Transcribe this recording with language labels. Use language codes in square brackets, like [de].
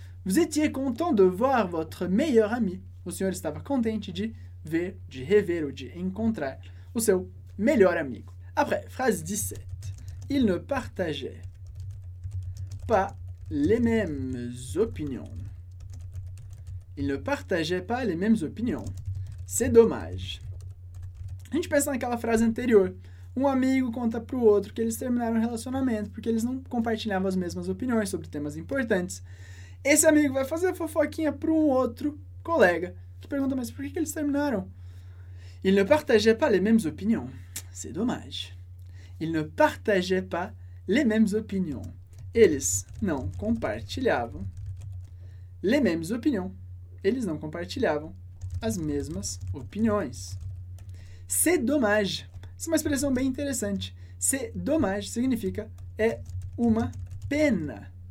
[fr] Vous étiez content de voir votre meilleur ami. [pt] O senhor estava contente de ver, de rever ou de encontrar o seu melhor amigo. [fr] Après, phrase 17. Il ne partageait pas les mêmes opinions. Il ne partageait pas les mêmes opinions. C'est dommage. [pt] A gente pensa naquela frase anterior. Um amigo conta para o outro que eles terminaram o relacionamento porque eles não compartilhavam as mesmas opiniões sobre temas importantes. Esse amigo vai fazer fofoquinha para um outro colega que pergunta, mas por que eles terminaram? [fr] Il ne partageait pas les mêmes opinions. C'est dommage. Il ne partageait pas les mêmes opinions. [pt] Eles não compartilhavam [fr] les mêmes opinions. [pt] Eles não compartilhavam as mesmas opiniões. [fr] C'est dommage. [pt] Isso é uma expressão bem interessante. C'est dommage significa é uma pena.